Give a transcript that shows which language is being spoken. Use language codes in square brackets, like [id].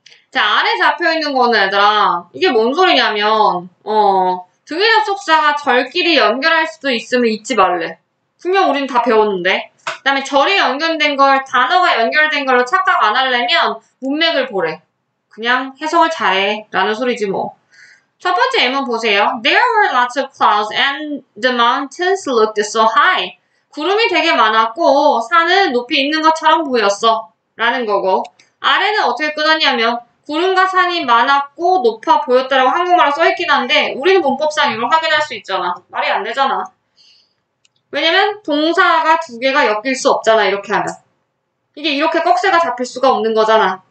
[ko] 자, 안에 잡혀있는 거는 얘들아, 이게 뭔 소리냐면 등의 접속사가 절끼리 연결할 수도 있음을 잊지 말래. 분명 우린 다 배웠는데. 그 다음에 절이 연결된 걸, 단어가 연결된 걸로 착각 안 하려면 문맥을 보래. 그냥 해석을 잘해. 라는 소리지 뭐. 첫 번째 예문 보세요. [en] There were lots of clouds and the mountains looked so high. [ko] 구름이 되게 많았고, 산은 높이 있는 것처럼 보였어. 라는 거고. 아래는 어떻게 끊었냐면, 구름과 산이 많았고 높아 보였다라고 한국말로 써있긴 한데, 우리는 문법상 이걸 확인할 수 있잖아. 말이 안 되잖아. 왜냐면, 동사가 두 개가 엮일 수 없잖아, 이렇게 하면. 이게 이렇게 꺽쇠가 잡힐 수가 없는 거잖아.